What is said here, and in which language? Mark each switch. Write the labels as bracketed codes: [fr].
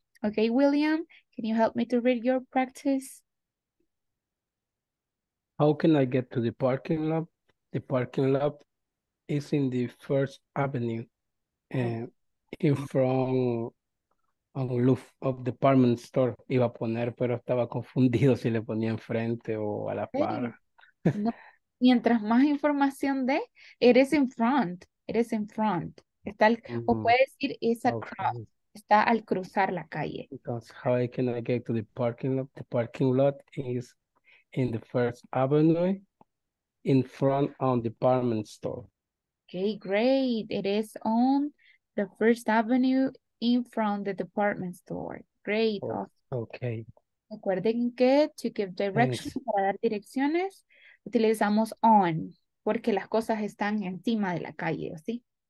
[en] Okay, William, can you help me to read your practice? How can I get to the parking lot? The parking lot is in the First Avenue and in front of the roof of the department store. [es] Iba a poner, pero estaba confundido si le ponía enfrente o a la par. No. Mientras más información de, [en] it is in front. [es] Está o puede decir, [en] it's across. Okay. [es] Está al cruzar la calle. [en] Because how can I get to the parking lot? The parking lot is in the First Avenue, in front of the department store. Okay, great. It is on the First Avenue, in front of the department store. Great. Awesome. Okay. [es] Recuerden que [en] to give directions, [es] para dar direcciones, utilizamos on, porque las cosas están encima de la calle, ¿sí?